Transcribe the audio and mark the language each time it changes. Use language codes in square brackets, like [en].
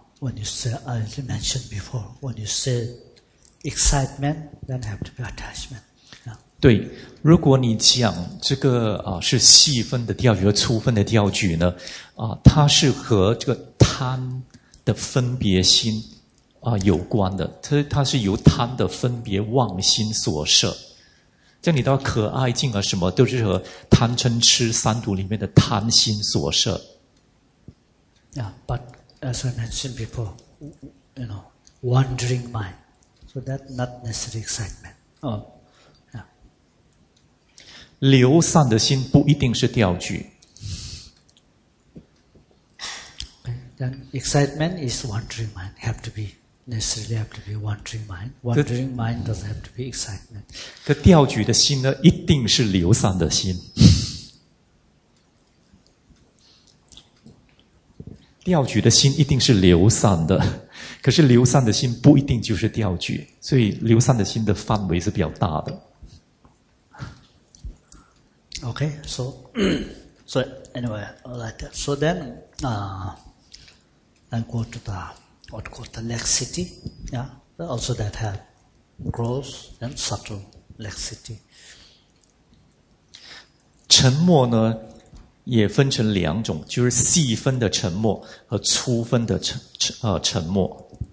[en] When you say, as I mentioned before, when you say excitement, then have to be attachment. Yeah. [zh] 对，如果你讲这个啊是细分的调举和粗分的调举呢，啊，它是和这个贪的分别心。啊，有关的，它是由贪的分别妄心所摄，像你到可爱境啊什么，都是和贪嗔痴三毒里面的贪心所摄。 [en] Yeah, but as I mentioned before, you know, wandering mind, so that not necessary excitement. Yeah. [zh] 流散的心不一定是调举。 [en] Okay, then excitement is wandering mind, have to be. Necessarily have to be wandering mind. Wandering mind doesn't have to be excitement. [zh] 可调举的心呢，一定是流散的心。调举的心一定是流散的，可是流散的心不一定就是调举，所以流散的心的范围是比较大的。 [en] Okay, so anyway, like that. So then, I go to the. What called the laxity, yeah, also that have gross and subtle laxity. [zh] 沉默呢也分成两种，就是细分的沉默和粗分的沉默。